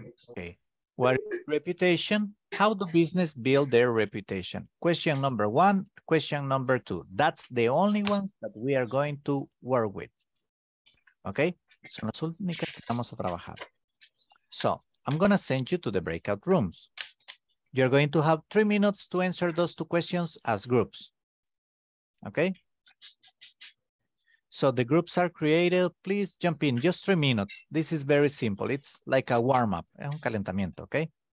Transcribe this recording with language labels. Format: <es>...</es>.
<en>Okay, what is reputation? How do business build their reputation? Question number one, question number two. That's the only ones that we are going to work with.</en> <es>Okay, son las únicas que vamos a trabajar.</es> <en>So, I'm gonna send you to the breakout rooms. You're going to have 3 minutes to answer those two questions as groups, okay? So the groups are created, please jump in, just 3 minutes. This is very simple, it's like a warm-up,</en> <es>es un calentamiento,</es> <en>okay?</en>